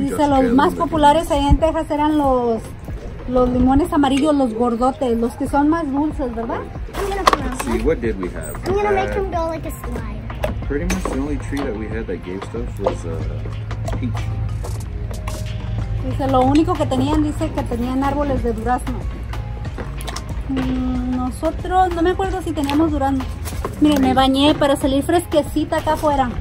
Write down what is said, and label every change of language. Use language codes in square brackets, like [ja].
[es] Dice, los más populares ahí en Texas eran los limones amarillos, los gordotes, los que son más dulces, ¿verdad? [en] I'm gonna Let's see, what did we have? I'm gonna make him go like a slide. Pretty much the only tree that we had that gave stuff was peach. [es] Dice, lo único que tenían, dice que tenían árboles de durazno. Nosotros, no me acuerdo si teníamos durazno. Mire, me bañé para salir fresquecita acá afuera.